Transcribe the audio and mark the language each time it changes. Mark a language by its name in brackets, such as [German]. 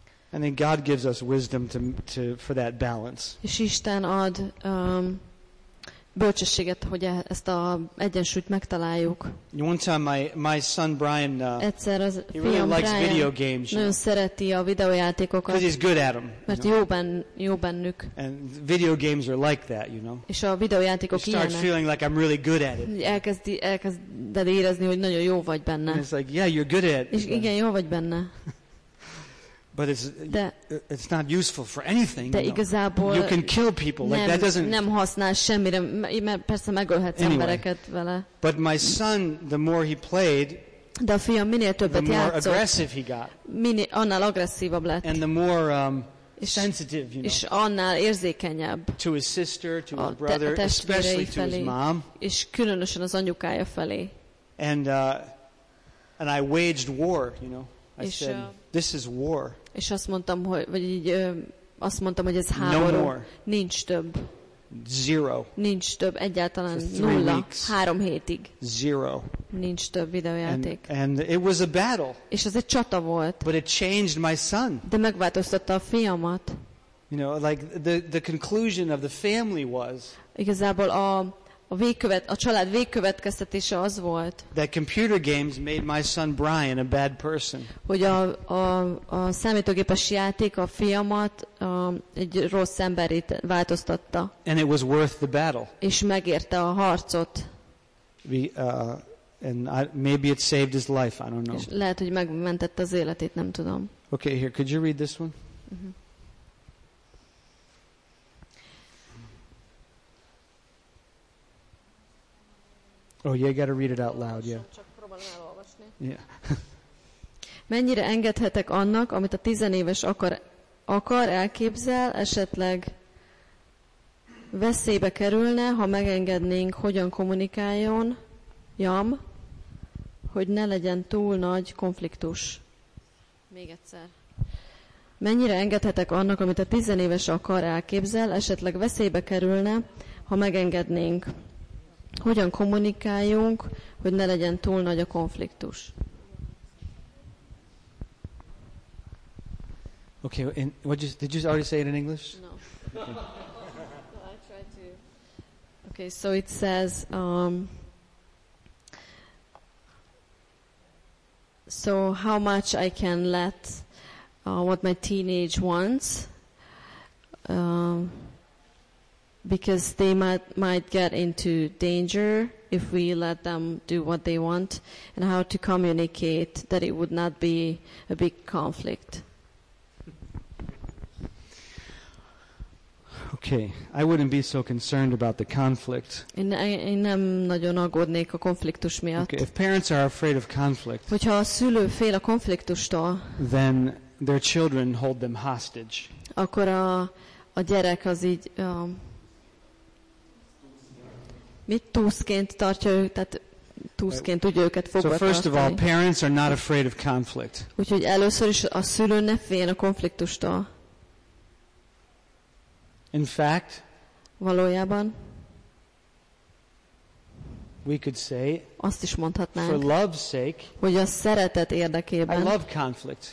[English] And then God gives us wisdom to for that balance. [Hungarian] És Isten ad bölcsességet, hogy ezt a egyensúlyt megtaláljuk. [English] One time my son Brian, [Hungarian] egyszer az [English] he really [Hungarian] fiam [English] likes Brian video games, [Hungarian] nagyon szereti a videójátékokat. [English] Because he's good at them. [Hungarian] Mert jó bennük. [English] And video games are like that, you know. [Hungarian] És a videójátékok ilyenek. [English] He starts feeling like I'm really good at it. [Hungarian] Elkezded érezni, hogy nagyon jó vagy benne. [English] And it's like, yeah, you're good at it. [Hungarian] És igen, jó vagy benne. [English] But it's not useful for anything. [Hungarian] De [English] you know. [Hungarian] Igazából [English] you can kill people. [Hungarian] Nem, [English] like that doesn't [Hungarian] nem használ semmire, mert persze megölhetsz [English] anyway [Hungarian] embereket vele. [English] But my son, the more he played, [Hungarian] de a fiam minél többet [English] the more [Hungarian] játszott, [English] aggressive he got. [Hungarian] Annál agresszívabb lett. [English] And the more sensitive, you know. [Hungarian] És annál érzékenyebb. [English] To his sister, to his brother, especially [Hungarian] felé, [English] to his mom. [Hungarian] És különösen az anyukája felé. [English] And And I waged war, you know. I said, this is war. [Hungarian] És azt mondtam, hogy vagy így azt mondtam, hogy ez háború. [English] No more. [Hungarian] Nincs több. [English] Zero. [Hungarian] Nincs több, egyáltalán nulla. Három hétig. [English] Zero. [Hungarian] Nincs több videójáték. [English] And it was a battle. [Hungarian] És ez egy csata volt. [English] But it changed my son. [Hungarian] De megváltoztatta a fiamat. [English] You know, like the conclusion of the family was. [Hungarian] Igazából a család végkövetkeztetése az volt. [English] That computer games made my son Brian a bad person. [Hungarian] Hogy a számítógépes játék a fiamat egy rossz emberét változtatta. [English] And it was worth the battle. [Hungarian] És megérte a harcot. [English] Maybe it saved his life. I don't know. [Hungarian] És lehet, hogy megmentette az életét, nem tudom. [English] Okay, here. Could you read this one? Mm-hmm. Oh, yeah, you got to read it out loud, yeah. [Hungarian] Mennyire engedhetek annak, amit a tizenéves akar elképzel, esetleg veszélybe kerülne, ha megengednénk, hogyan kommunikáljon, jam, hogy ne legyen túl nagy konfliktus. Még egyszer. Mennyire engedhetek annak, amit a tizenéves akar elképzel, esetleg veszélybe kerülne, ha megengednénk. Hogyan kommunikáljunk, hogy ne legyen túl nagy a konfliktus? [English] Okay, did you already say it in English? No. Okay. No, I tried to. Okay, so it says so how much I can let what my teenage wants. Because they might get into danger if we let them do what they want, and how to communicate that it would not be a big conflict. Okay, I wouldn't be so concerned about the conflict. [Hungarian] Én nem nagyon aggódnék a konfliktus miatt. [English] Okay, if parents are afraid of conflict, [Hungarian] hogyha a szülő fél a konfliktustól, [English] then their children hold them hostage. [Hungarian] Akkor a gyerek az így mit túszként tartja ő, tehát túszként tudja őket fogva tartani. [English] So first of all, parents are not afraid of conflict. [Hungarian] Úgyhogy először is a szülő ne féljen a konfliktustól. [English] In fact, [Hungarian] valójában [English] we could say, [Hungarian] azt is mondhatnánk, [English] for love's sake, [Hungarian] hogy a szeretet érdekében, [English] I love conflict.